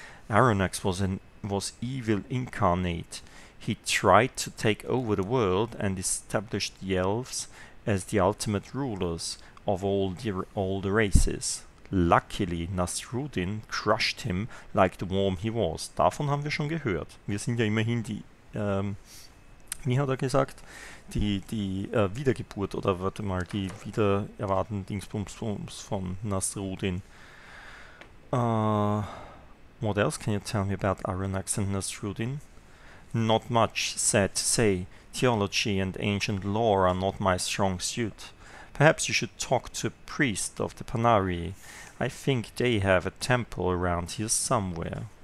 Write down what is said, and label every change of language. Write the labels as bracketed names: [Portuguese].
[English] Aronax was evil incarnate. He tried to take over the world and established the elves as the ultimate rulers of all the races. Luckily, Nasruddin crushed him like the worm he was. [German] Davon haben wir schon gehört. Wir sind ja immerhin die, wie hat er gesagt, die Wiedergeburt, oder warte mal, die Wiedererwarten Dingsbums von Nasruddin. [English] What else can you tell me about Aronax and Nasruddin? Not much, sad to say. Theology and ancient lore are not my strong suit. Perhaps you should talk to a priest of the Panari. I think they have a temple around here somewhere.